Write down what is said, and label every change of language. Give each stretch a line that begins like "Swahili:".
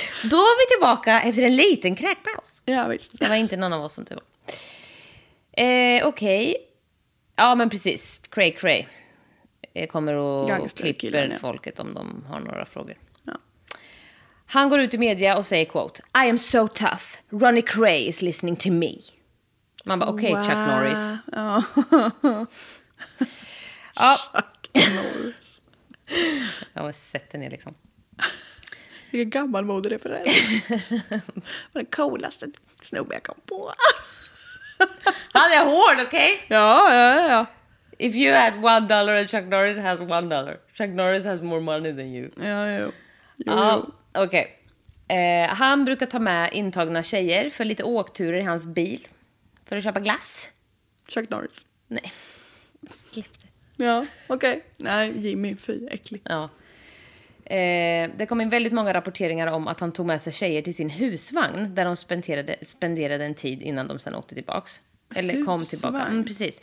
Swedish: Då var vi tillbaka efter en liten kräkpaus. Ja, visst. Det var inte någon av oss som tyvärr. Okej. Ja, men precis. Cray Cray. Jag kommer och klipper folket om de har några frågor. Ja. Han går ut i media och säger, quote,
English: I am so tough. Ronnie Cray is listening to me.
Swedish: Man bara, okej, okay, wow. Chuck Norris. Ja. Chuck Norris. Jag har sett den liksom. Vilken gammal modereferens. Vad den coolaste snubben jag kom på. Han är hård, okej? Okay? Ja.
English: If you had $1 and Chuck Norris has $1, Chuck Norris has more money than you.
Swedish: Ja. Okej. Han brukar ta med intagna tjejer för lite åkturer i hans bil. För att köpa glass. Chuck Norris. Nej. Släpp det. Ja, okej. Okay. Nej, Jimmy, fy, äcklig. Ja. Det kom in väldigt många rapporteringar om att han tog med sig tjejer till sin husvagn där de spenderade en tid innan de sen åkte tillbaks. Eller husvagn. Kom tillbaka. Mm, precis.